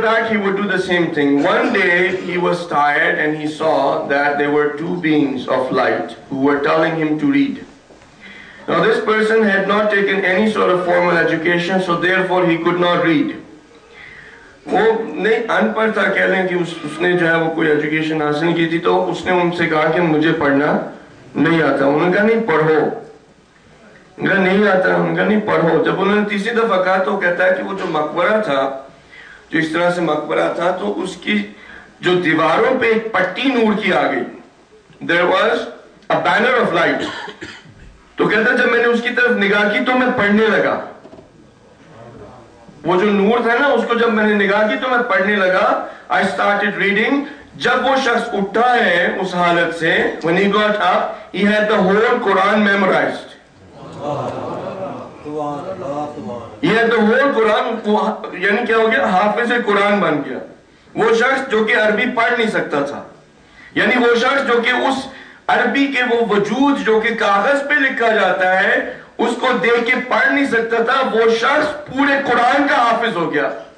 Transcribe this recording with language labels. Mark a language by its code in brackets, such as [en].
[en] he would do the same thing. One day he was tired and he saw that there were two beings of light who were telling him to read. Now this person had not taken any sort of formal education, so therefore he could not read. [hi] वो नहीं अनपढ़ था, कह लें कि उसने जो है वो कोई एजुकेशन हासिल की थी, तो उसने उनसे कहा कि मुझे पढ़ना नहीं आता। उन्होंने कहा नहीं पढ़ो। उनका नहीं आता। उन्होंने कहा नहीं पढ़ो। जब उन्होंने तीसरी दफा कहा तो कहता है कि वो जो मकबरा था, जो इस तरह से मकबरा था, तो उसकी जो दीवारों पे एक पट्टी नूर की आ गई। [en] There was a banner of light. [hi] तो कहता जब मैंने उसकी तरफ निगाह की तो मैं पढ़ने लगा। वो जो नूर था ना, उसको जब मैंने निगाह की तो मैं पढ़ने लगा। [en] I started reading. [hi] जब वो शख्स उठा है उस हालत से, [en] when he got up, he had the whole Quran memorized. [hi] यह तो होल कुरान, यानी क्या हो गया, हाफिज कुरान बन गया। वो शख्स जो कि अरबी पढ़ नहीं सकता था, यानी वो शख्स जो कि उस अरबी के वो वजूद जो कि कागज पे लिखा जाता है उसको देख के पढ़ नहीं सकता था, वो शख्स पूरे कुरान का हाफिज हो गया।